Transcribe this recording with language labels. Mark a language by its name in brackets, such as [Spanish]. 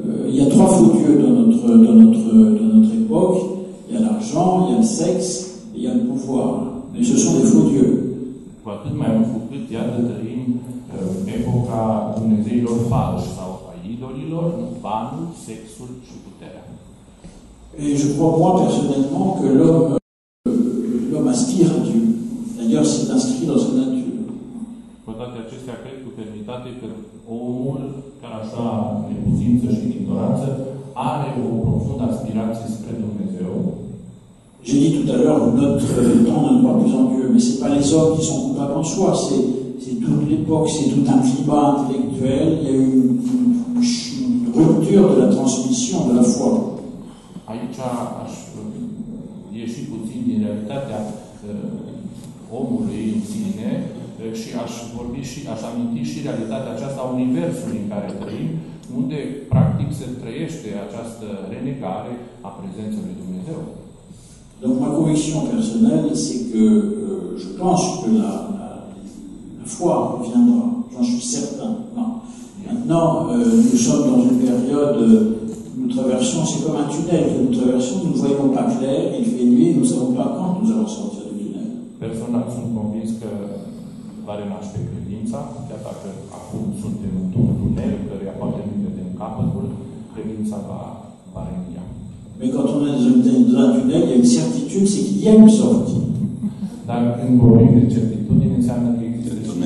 [French] Il y a trois faux dieux dans notre époque. Il y a l'argent, il y a le sexe, et il y a le pouvoir. Mais ce sont des faux dieux. [Romanian] Cu atât mai mult cu cât, iată, trăim epoca Dumnezeilor falși sau a idolilor, banul, sexul și puterea. [French] Et je crois, moi, personnellement, que l'homme aspire à Dieu. D'ailleurs, c'est inscrit dans sa nature. [Romanian] Cu toate acestea, cred cu fermitate că omul, ca așa neputință și ignoranță, are o profundă aspirație spre Dumnezeu. [French] J'ai dit tout à l'heure, notre temps ne croit plus en Dieu, mais c'est pas les hommes qui sont coupables en soi, c'est toute l'époque, c'est tout un climat intellectuel, il y a eu une rupture de la transmission de la foi. [Romanian] Aici aș ieși puțin din realitatea omului în sine și aș vorbi și aș aminti și realitatea aceasta a universului în care trăim, unde practic se trăiește această renegare a prezenței lui Dumnezeu. [French] Donc ma conviction personnelle, c'est que je pense que la foi reviendra, j'en suis certain. Non. Maintenant, nous sommes dans une période, nous traversons, c'est comme un tunnel que nous traversons, nous ne voyons pas clair, il fait nuit, nous ne savons pas quand nous allons sortir du tunnel. [Romanian] Personnel, sunt convins că va renaște credința, chiar dacă acum suntem într-un tunnel, căreia poate nu vedem capătul, credința va renia. [French] Mais quand on est dans un tunnel, il y a une certitude, c'est qu'il y a une sortie. Dans une bonne certitude, il y a une certitude.